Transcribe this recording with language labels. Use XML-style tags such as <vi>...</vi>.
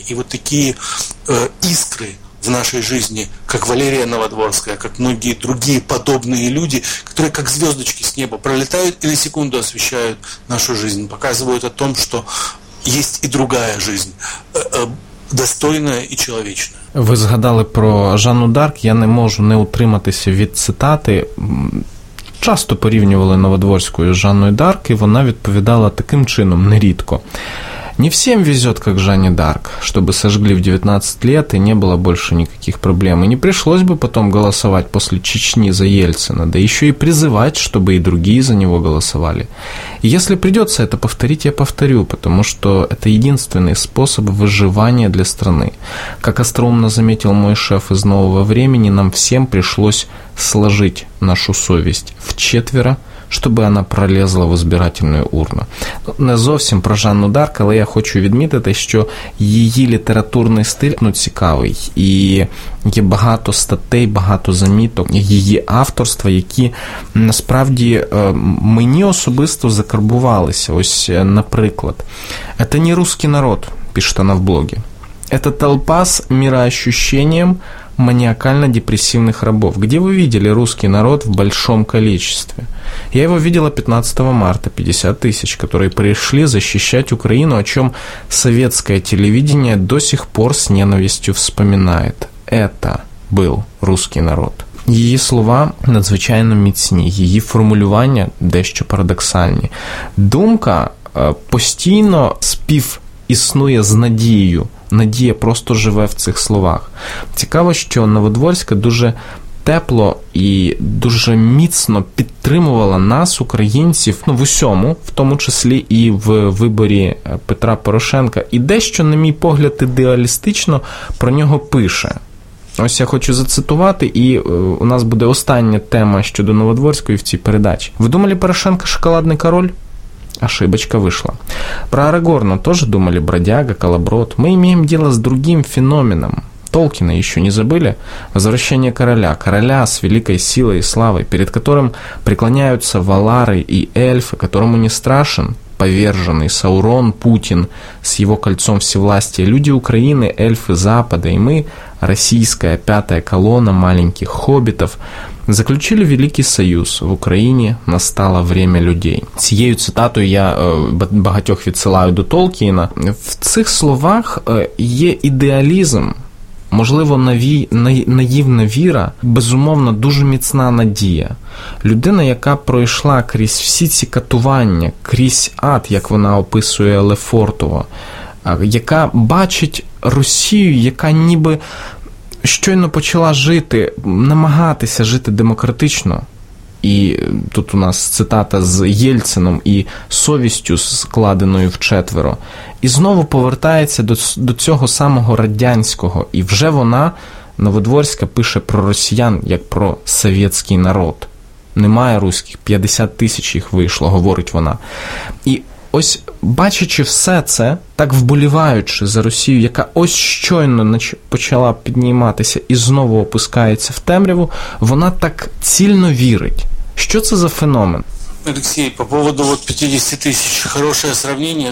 <ru>И вот такие искры в нашей жизни, как Валерия Новодворская, как многие другие подобные люди, которые как звездочки с неба пролетают и на секунду освещают нашу жизнь, показывают о том, что есть и другая жизнь, достойная и человечная.</ru> <uk>Ви згадали про Жанну Д'Арк, я не можу не утриматися від цитати. Часто порівнювали Новодворську з Жанною Д'Арк, і вона відповідала таким чином, нерідко.</uk> <ru>«Не всем везет, как Жанне Д'Арк, чтобы сожгли в 19 лет, и не было больше никаких проблем, и не пришлось бы потом голосовать после Чечни за Ельцина, да еще и призывать, чтобы и другие за него голосовали. И если придется это повторить, я повторю, потому что это единственный способ выживания для страны. Как остроумно заметил мой шеф из «Нового времени», нам всем пришлось сложить нашу совесть вчетверо,</ru> <uk>щоб вона пролізла в збирательну урну. Не зовсім про Жанну Д'Арк, але я хочу відмітити, що її літературний стиль ну, цікавий, і є багато статей, багато заміток її авторства, які насправді мені особисто закарбувалися. Ось, наприклад,</uk> <ru>«Это не русский народ», пишет она</ru> <uk>в блогі.</uk> <ru>«Это толпа з мироощущением маниакально-депрессивных рабов. Где вы видели русский народ в большом количестве? Я его видела 15 марта, 50 тысяч, которые пришли защищать Украину, о чем советское телевидение до сих пор с ненавистью вспоминает. Это был русский народ».</ru> <uk>Її слова надзвичайно міцні, її формулювання дещо парадоксальні. Думка постійно співіснує з надією. Надія просто живе в цих словах. Цікаво, що Новодворська дуже тепло і дуже міцно підтримувала нас, українців, в усьому, в тому числі і в виборі Петра Порошенка. І дещо, на мій погляд, ідеалістично про нього пише. Ось я хочу зацитувати, і у нас буде остання тема щодо Новодворської в цій передачі. «Ви думали, Порошенко – шоколадний король?»</uk> <ru>Ошибочка вышла. Про Арагорна тоже думали, бродяга, колоброд. Мы имеем дело с другим феноменом. Толкина еще не забыли? Возвращение короля. Короля с великой силой и славой, перед которым преклоняются валары и эльфы, которому не страшен поверженный Саурон Путин с его кольцом всевластия. Люди Украины, эльфы Запада и мы, российская пятая колонна маленьких хоббитов, заключили Великий Союз.</ru> <uk>В Україні настало</uk> <ru>время людей.</ru> <uk>Цією цитатою я багатьох відсилаю до Толкіна. В цих словах є ідеалізм, можливо, наївна віра, безумовно, дуже міцна надія. Людина, яка пройшла крізь всі ці катування, крізь ад, як вона описує Лефортово, яка бачить Росію, яка ніби щойно почала жити, намагатися жити демократично, і тут у нас цитата з Єльцином і совістю, складеною вчетверо, і знову повертається до цього самого радянського, і вже вона, Новодворська, пише про росіян, як про совєтський народ. Немає руських, 50 тисяч їх вийшло, говорить вона. І ось, бачачи все це, так вболіваючи за Росію, яка ось щойно почала підніматися і знову опускається в темряву, вона так цільно вірить. Що це за феномен?</uk> <ru>Алексей, по поводу вот 50 тысяч, хорошее сравнение.</ru>